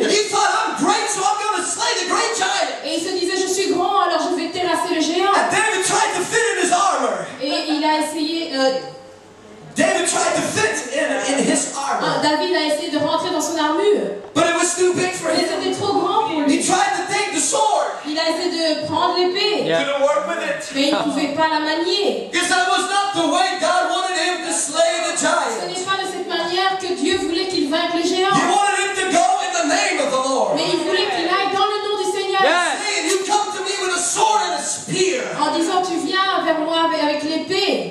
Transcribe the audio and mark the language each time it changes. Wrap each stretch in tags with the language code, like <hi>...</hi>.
<en>And he thought, I'm great, so I'm going to slay the great giant.</en> <fr>Et il se disait, je suis grand, alors je vais terrasser le géant.</fr> <en>And David tried to fit in his armor.</en> <fr>Et il a essayé.</fr> <en>David tried to fit in his armor.</en> <fr>David a essayé de rentrer dans son armure.</fr> <en>But it was too big for him.</en> <fr>C'était trop grand pour lui.</fr> <en>He tried to take the sword.</en> <fr>Il a essayé de prendre l'épée.</fr> <en>He couldn't work with it.</en> <fr>Mais il ne pouvait pas la manier.</fr> <en>Because that was not the way God wanted him to slay the giant.</en> <fr>Ce n'est pas de cette manière que Dieu voulait qu'il vainque le géant.</fr> <en>He wanted him to go in the name of the Lord.</en> <fr>Mais il voulait qu'il aille dans le nom du Seigneur.</fr> <en>Yes. Hey, you come to me with a sword and a spear.</en> <fr>En disant tu viens vers moi avec l'épée.</fr>